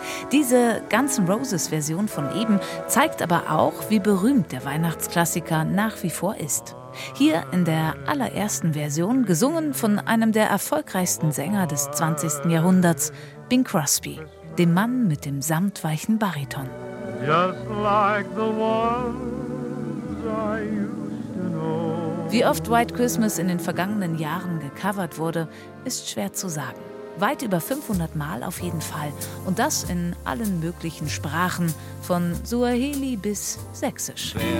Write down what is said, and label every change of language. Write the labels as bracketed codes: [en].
[de] Diese Guns N' Roses-Version von eben zeigt aber auch, wie berühmt der Weihnachtsklassiker nach wie vor ist. Hier in der allerersten Version, gesungen von einem der erfolgreichsten Sänger des 20. Jahrhunderts, Bing Crosby, dem Mann mit dem samtweichen Bariton. [en] Just like the ones I used to know. [de] Wie oft White Christmas in den vergangenen Jahren gecovert wurde, ist schwer zu sagen. Weit über 500 Mal auf jeden Fall. Und das in allen möglichen Sprachen, von Suaheli bis Sächsisch.